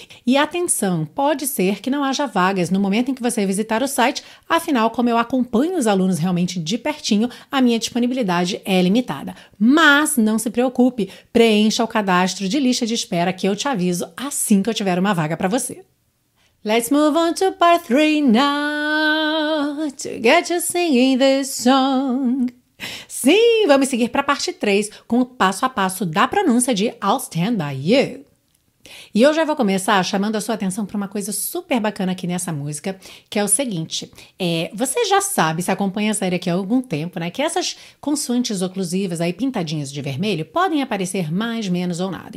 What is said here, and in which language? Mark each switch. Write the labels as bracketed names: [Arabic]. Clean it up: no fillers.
[Portuguese] E atenção, pode ser que não haja vagas no momento em que você visitar o site, afinal, como eu acompanho os alunos realmente de pertinho, a minha disponibilidade é limitada. Mas não se preocupe, preencha o cadastro de lista de espera que eu te aviso assim que eu tiver uma vaga para você. [English] Let's move on to part 3 now, to get you singing this song. [Portuguese] Sim, vamos seguir para a parte 3 com o passo a passo da pronúncia de I'll stand by you. E eu já vou começar chamando a sua atenção para uma coisa super bacana aqui nessa música, que é o seguinte, você já sabe, se acompanha a série aqui há algum tempo, né, que essas consoantes oclusivas aí pintadinhas de vermelho podem aparecer mais, menos ou nada.